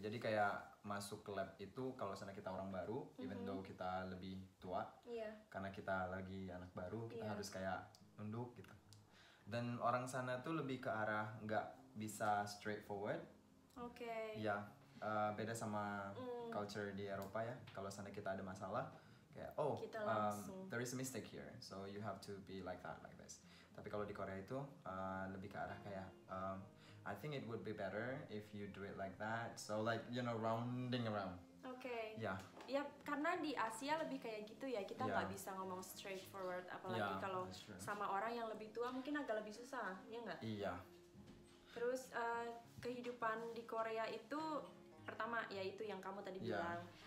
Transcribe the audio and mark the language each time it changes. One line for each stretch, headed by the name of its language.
Indonesian: Jadi kayak masuk ke lab itu kalau sana kita orang baru,
English: even though
Indonesian: kita lebih tua. Karena kita lagi anak baru, kita harus kayak nunduk gitu. Dan orang sana tuh lebih ke arah enggak bisa straightforward. Oke. Beda sama culture di Eropa ya. Kalau sana kita ada masalah kayak
English: there is a mistake here, so you have to be like that, like this.
Indonesian: Tapi kalau di Korea itu lebih ke arah kayak
English: I think it would be better if you do it like that. So like, you know, rounding around.
Indonesian: Ya, karena di Asia lebih kayak gitu ya, kita nggak bisa ngomong straightforward, apalagi kalau sama orang yang lebih tua mungkin agak lebih susah, ya nggak? Iya. Terus kehidupan di Korea itu pertama yaitu yang kamu tadi bilang.